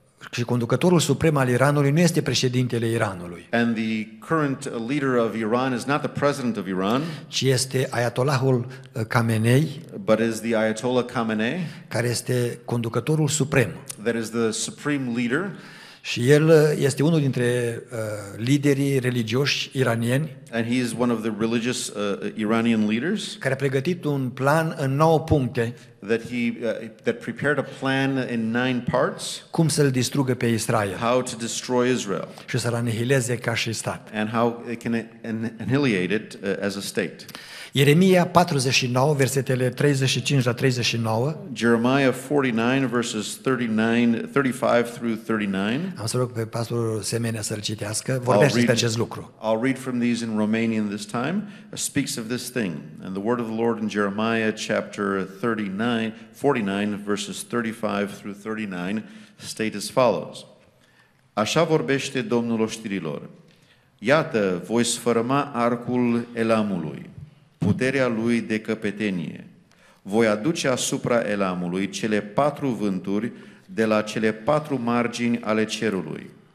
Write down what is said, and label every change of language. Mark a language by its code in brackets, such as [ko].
[ro] Și conducătorul suprem al Iranului nu este președintele Iranului. [en] And the current leader of Iran is not the president of Iran. [ro] Ci este Ayatollahul Khamenei. [en] But is the Ayatollah Khamenei. [ro] Care este conducătorul suprem. [en] That is the supreme leader. [ro] Și el este unul dintre liderii religioși iranieni. [en] And he is one of the religious Iranian leaders. [ro] Care a pregătit un plan în 9 puncte. [en] that he that prepared a plan in 9 parts. [ro] Cum să-l distrugă pe Israel. [en] How to destroy Israel. [ro] Și să-l anihileze ca și stat. [en] And how it can annihilate it as a state. [ro] Ieremia 49 versetele 35 la 39. [en] Jeremiah 49 verses 35 through 39. [ro] Am să rog pe pastorul Semenea să-l citească. Vorbește despre acest lucru. [en] I'll read from these in Romanian this time. It speaks of this thing. And the word of the Lord in Jeremiah chapter 49 verses 35 through 39 state as follows. [ro] Așa vorbește Domnul oștirilor. Iată, voi sfărâma arcul Elamului. Puterea lui de căpetenie. Voi aduce asupra Elamului cele 4 vânturi de la cele 4 margini ale cerului.